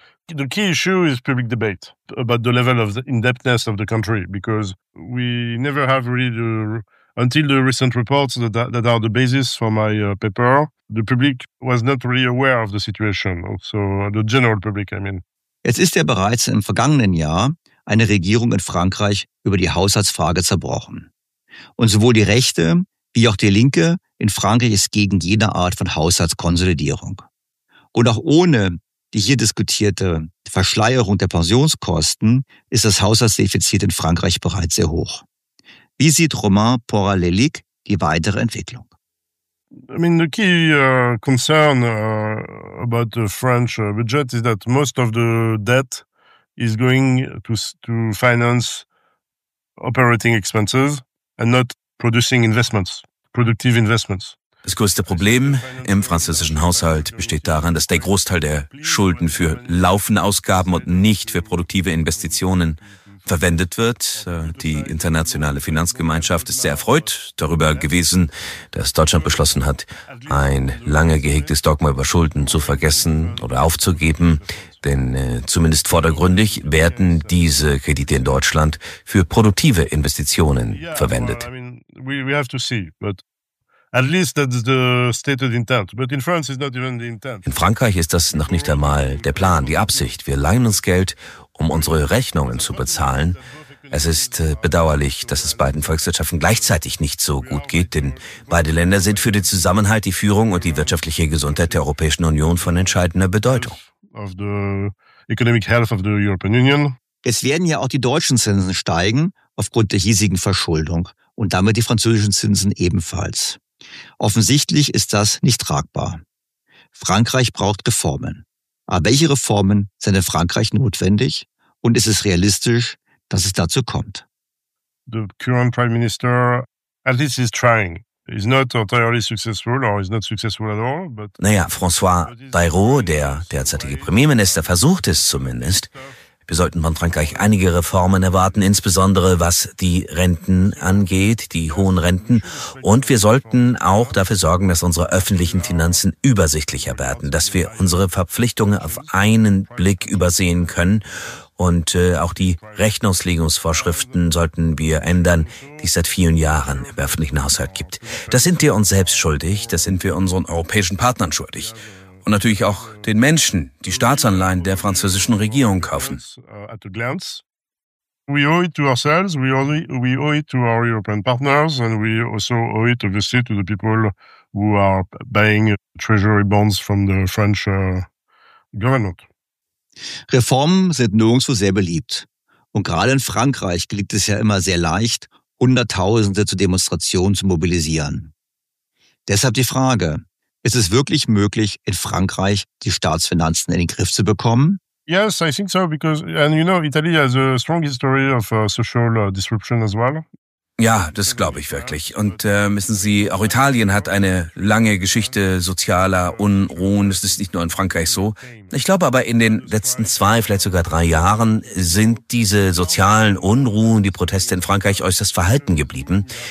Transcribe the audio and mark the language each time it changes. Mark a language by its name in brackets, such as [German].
[English] The key issue is public debate about the level of the indebtedness of the country, because we never have really, until the recent reports that are the basis for my paper, the public was not really aware of the situation, also the general public, I mean. [German] Es ist ja bereits im vergangenen Jahr eine Regierung in Frankreich über die Haushaltsfrage zerbrochen. Und sowohl die Rechte wie auch die Linke in Frankreich ist gegen jede Art von Haushaltskonsolidierung. Und auch ohne die hier diskutierte Verschleierung der Pensionskosten ist das Haushaltsdefizit in Frankreich bereits sehr hoch. Wie sieht Romain Poralelic die weitere Entwicklung? [English] I mean, the key concern about the French budget is that most of the debt is going to finance operating expenses and not producing investments. Productive investments. [German] Das größte Problem im französischen Haushalt besteht darin, dass der Großteil der Schulden für laufende Ausgaben und nicht für produktive Investitionen verwendet wird. Die internationale Finanzgemeinschaft ist sehr erfreut darüber gewesen, dass Deutschland beschlossen hat, ein lange gehegtes Dogma über Schulden zu vergessen oder aufzugeben. Denn zumindest vordergründig werden diese Kredite in Deutschland für produktive Investitionen verwendet. [English] We have to see, but at least that's the stated intent. But in France is not even the intent. [German] In Frankreich ist das noch nicht einmal der Plan, die Absicht. Wir leihen uns Geld, um unsere Rechnungen zu bezahlen. Es ist bedauerlich, dass es beiden Volkswirtschaften gleichzeitig nicht so gut geht, denn beide Länder sind für den Zusammenhalt, die Führung und die wirtschaftliche Gesundheit der Europäischen Union von entscheidender Bedeutung. [English] Of the economic health of the European Union. [German] Es werden ja auch die deutschen Zinsen steigen aufgrund der hiesigen Verschuldung. Und damit die französischen Zinsen ebenfalls. Offensichtlich ist das nicht tragbar. Frankreich braucht Reformen. Aber welche Reformen sind in Frankreich notwendig? Und ist es realistisch, dass es dazu kommt? [English] The current Prime Minister at least is trying. He's not entirely successful or he's not successful at all. But [German] naja, François Bayrou, der derzeitige Premierminister, versucht es zumindest. Wir sollten von Frankreich einige Reformen erwarten, insbesondere was die Renten angeht, die hohen Renten. Und wir sollten auch dafür sorgen, dass unsere öffentlichen Finanzen übersichtlicher werden, dass wir unsere Verpflichtungen auf einen Blick übersehen können. Und auch die Rechnungslegungsvorschriften sollten wir ändern, die es seit vielen Jahren im öffentlichen Haushalt gibt. Das sind wir uns selbst schuldig, das sind wir unseren europäischen Partnern schuldig. Und natürlich auch den Menschen, die Staatsanleihen der französischen Regierung kaufen. [English] At a glance, we owe it to ourselves, we owe it to our European partners, and we also owe it obviously to the people who are buying treasury bonds from the French government. [German] Reformen sind nirgendwo sehr beliebt. Und gerade in Frankreich gelingt es ja immer sehr leicht, Hunderttausende zu Demonstrationen zu mobilisieren. Deshalb die Frage. Ist es wirklich möglich, in Frankreich die Staatsfinanzen in den Griff zu bekommen? [English] Yes, I think so, because and you know, Italy has a strong history of social disruption as well. [German] Ja, das glaube ich wirklich. Und wissen Sie, auch Italien hat eine lange Geschichte sozialer Unruhen. Das ist nicht nur in Frankreich so. Ich glaube aber, in den letzten 2, vielleicht sogar 3 Jahren sind diese sozialen Unruhen, die Proteste in Frankreich äußerst verhalten geblieben.